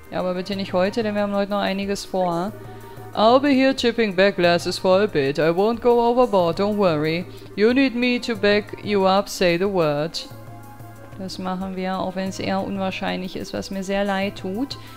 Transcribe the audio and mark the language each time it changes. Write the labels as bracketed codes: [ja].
[de] Ja, aber bitte nicht heute, denn wir haben heute noch einiges vor. [en] I'll be here tipping back glasses for a bit. I won't go overboard, don't worry. You need me to back you up, say the word. [de] Das machen wir, auch wenn es eher unwahrscheinlich ist, was mir sehr leid tut.